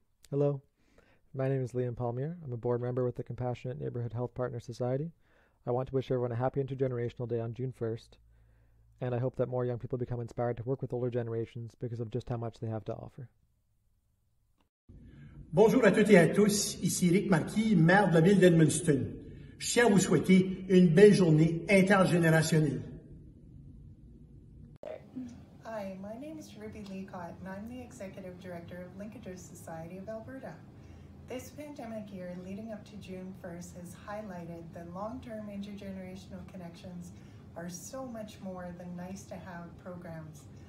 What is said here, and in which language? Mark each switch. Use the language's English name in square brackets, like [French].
[English] Hello, my name is Liam Palmier. I'm a board member with the Compassionate Neighborhood Health Partner Society. I want to wish everyone a happy Intergenerational Day on June 1st, and I hope that more young people become inspired to work with older generations because of just how much they have to offer. [French] Bonjour à toutes et à tous, ici Éric Marquis, maire de la ville d'Edmundston. Je tiens à vous souhaiter une belle journée intergénérationnelle. [English] Hi, my name is Ruby Leacott, and I'm the Executive Director of Linkages Society of Alberta. This pandemic year leading up to June 1st has highlighted that long-term intergenerational connections are so much more than nice-to-have programs.